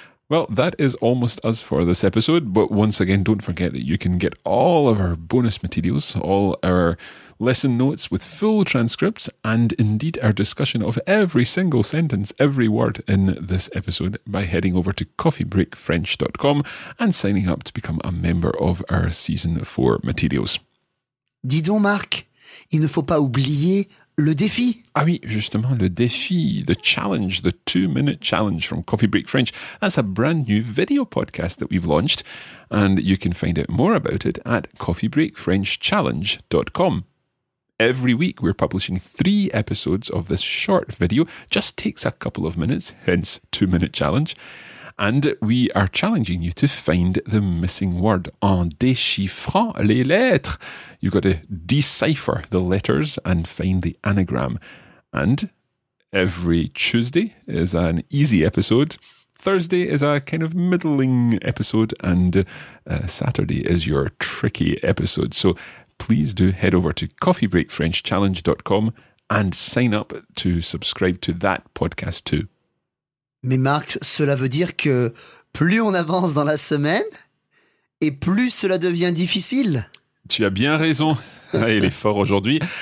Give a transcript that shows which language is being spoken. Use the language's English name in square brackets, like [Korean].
[English] Well, that is almost us for this episode. But once again, don't forget that you can get all of our bonus materials, all our lesson notes with full transcripts, and indeed our discussion of every single sentence, every word in this episode, by heading over to coffeebreakfrench.com and signing up to become a member of our Season 4 materials. [French] Dis donc, Marc, il ne faut pas oublier le défi. Ah oui, justement, le défi, [English] the challenge, the 2-minute challenge from Coffee Break French. That's a brand new video podcast that we've launched, and you can find out more about it at coffeebreakfrenchchallenge.com. Every week, we're publishing 3 episodes of this short video. Just takes a couple of minutes, hence 2-minute challenge. And we are challenging you to find the missing word [French] en déchiffrant les lettres. [English] You've got to decipher the letters and find the anagram. And every Tuesday is an easy episode. Thursday is a kind of middling episode. And Saturday is your tricky episode. So please do head over to coffeebreakfrenchchallenge.com and sign up to subscribe to that podcast too. [French] Mais Marc, cela veut dire que plus on avance dans la semaine, et plus cela devient difficile. Tu as bien raison, il est fort aujourd'hui.